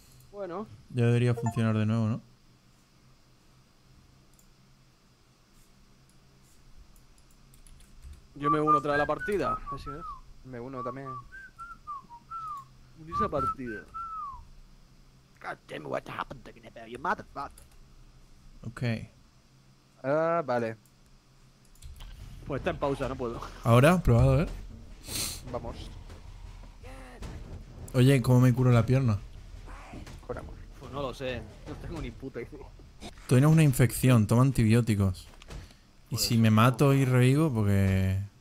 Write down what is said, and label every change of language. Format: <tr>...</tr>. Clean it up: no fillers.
<es>Bueno. Ya debería funcionar de nuevo, ¿no? Yo me uno otra vez a la partida, así es. Me uno también. Unirse a partida.</es> <en>God damn it, what happened to Gnipper, you motherfucker. Ok.</en> <es>Ah, vale. Pues está en pausa, no puedo. Ahora, probado, ¿eh? Vamos. Oye, ¿cómo me curo la pierna? Con amor. Pues no lo sé, no tengo ni puta idea. Tú tienes una infección, toma antibióticos. Y pues si me mato y revivo, porque...</es>